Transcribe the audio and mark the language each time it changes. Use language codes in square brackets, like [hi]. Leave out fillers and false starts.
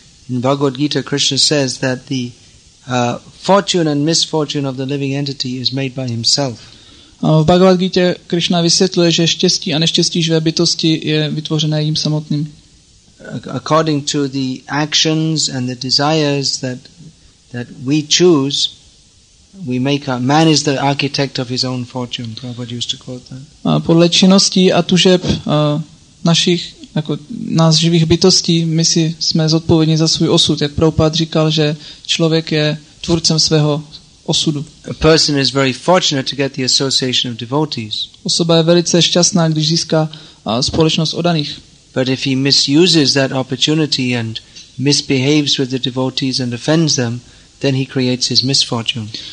[en] In Bhagavad Gita, Krishna says that the fortune and misfortune of the living entity is made by himself. [cs] V Bhagavad Gita Krishna vysvětluje, že štěstí a neštěstí živé bytosti je vytvořené jim samotným. [en] According to the actions and the desires that we choose, we make our man is the architect of his own fortune. Prabhupada used to quote that. [cs] Podle činností a tužeb našich jako nás živých bytostí, my si jsme zodpovědní za svůj osud, jak Prabhupada říkal, že člověk je tvůrcem svého osudu. [en] A person is very fortunate to get the association of devotees. [cs] Osoba je velice šťastná, když získá společnost oddaných. [en] But if he misuses that opportunity and misbehaves with the devotees and offends them, then he creates his misfortune.